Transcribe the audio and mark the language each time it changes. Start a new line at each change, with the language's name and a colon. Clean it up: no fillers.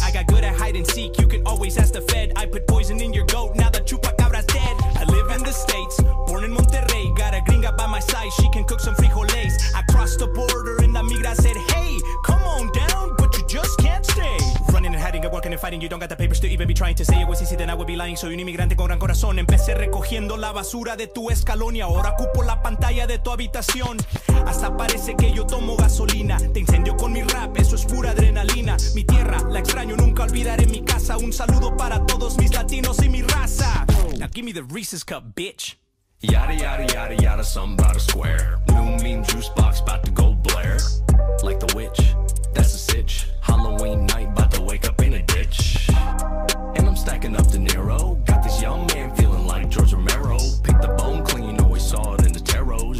English: I got good at hide and seek, you can always ask the fed. I put poison in your goat, now the chupacabra's dead. I live in the States, born in Monterrey. Got a gringa by my side, she can cook some frijoles. I crossed the border and la migra said, hey, come on down, but you just can't stay. Running and hiding and working and fighting, you don't got the papers to even be trying to say. It was easy, then I would be lying,
Spanish: so un inmigrante con gran corazón. Empecé recogiendo la basura de tu escalón y ahora ocupo la pantalla de tu habitación. Hasta parece que yo tomo gasolina, te incendio con mi rap, eso es pura adrenalina. Mi tierra, la extraño, nunca olvidaré mi casa. Un saludo para todos mis latinos y mi raza.
English: Now give me the Reese's Cup, bitch. Yada, yada, yada, yada, something about a square. New meme juice box, about to go Blair. Like the witch, that's a sitch. Halloween night, about to wake up in a ditch. And I'm stacking up De Niro. Got this young man feeling like George Romero. Picked the bone clean, you always saw it in the tarot.